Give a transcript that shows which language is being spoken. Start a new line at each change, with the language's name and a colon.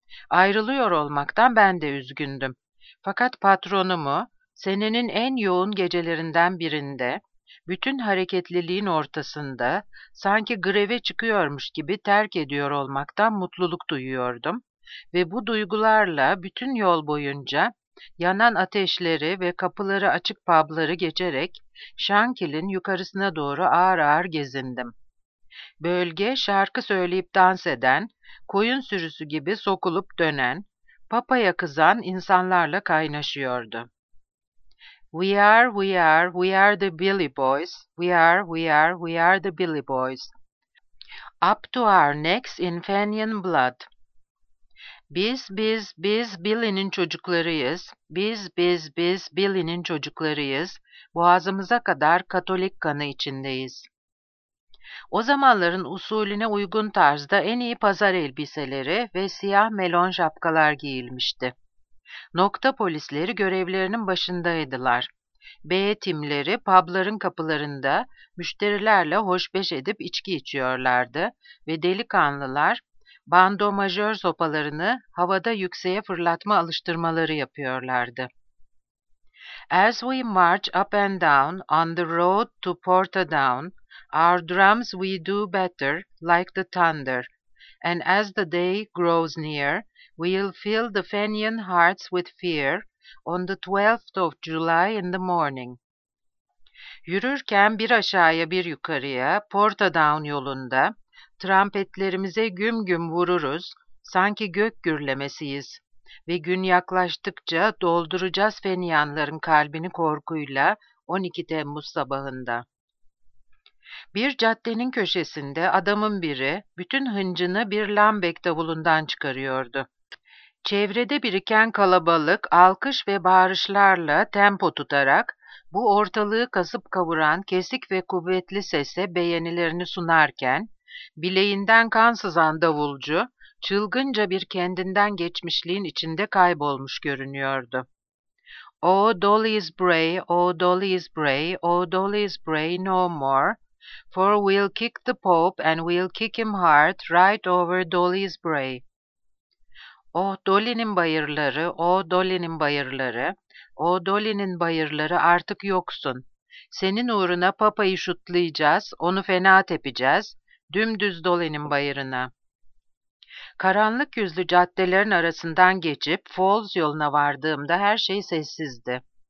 Turkish: Ayrılıyor olmaktan ben de üzgündüm. Fakat patronumu senenin en yoğun gecelerinden birinde, bütün hareketliliğin ortasında, sanki greve çıkıyormuş gibi terk ediyor olmaktan mutluluk duyuyordum ve bu duygularla bütün yol boyunca yanan ateşleri ve kapıları açık pubları geçerek Şankil'in yukarısına doğru ağır ağır gezindim. Bölge şarkı söyleyip dans eden, koyun sürüsü gibi sokulup dönen, papaya kızan insanlarla kaynaşıyordu.
English: We are, we are, we are the Billy Boys. We are, we are, we are the Billy Boys. Up to our necks in Fenian blood.
Turkish: Biz, biz, biz Billy'nin çocuklarıyız. Biz, biz, biz Billy'nin çocuklarıyız. Boğazımıza kadar Katolik kanı içindeyiz. O zamanların usulüne uygun tarzda en iyi pazar elbiseleri ve siyah melon şapkalar giyilmişti. Nokta polisleri görevlerinin başındaydılar. B timleri pubların kapılarında müşterilerle hoşbeş edip içki içiyorlardı ve delikanlılar bando majör sopalarını havada yükseğe fırlatma alıştırmaları yapıyorlardı.
English: As we march up and down on the road to Portadown, our drums we do better like the thunder, and as the day grows near, we'll fill the Fenian hearts with fear on the 12th of July in the morning.
Turkish: Yürürken bir aşağıya bir yukarıya Portadown yolunda trompetlerimize güm güm vururuz sanki gök gürlemesiyiz ve gün yaklaştıkça dolduracağız Fenianların kalbini korkuyla 12 Temmuz sabahında. Bir caddenin köşesinde adamın biri bütün hıncını bir lambek davulundan çıkarıyordu. Çevrede biriken kalabalık alkış ve bağırışlarla tempo tutarak bu ortalığı kasıp kavuran kesik ve kuvvetli sese beğenilerini sunarken bileğinden kan sızan davulcu çılgınca bir kendinden geçmişliğin içinde kaybolmuş görünüyordu.
English: Oh Dolly is Bray, oh Dolly is Bray, oh Dolly is Bray no more, for we'll kick the Pope and we'll kick him hard right over Dolly's Bray.
Turkish: Oh Dolly'nin bayırları, oh Dolly'nin bayırları, oh Dolly'nin bayırları artık yoksun. Senin uğruna papayı şutlayacağız, onu fena tepeceğiz, dümdüz Dolly'nin bayırına. Karanlık yüzlü caddelerin arasından geçip Falls yoluna vardığımda her şey sessizdi.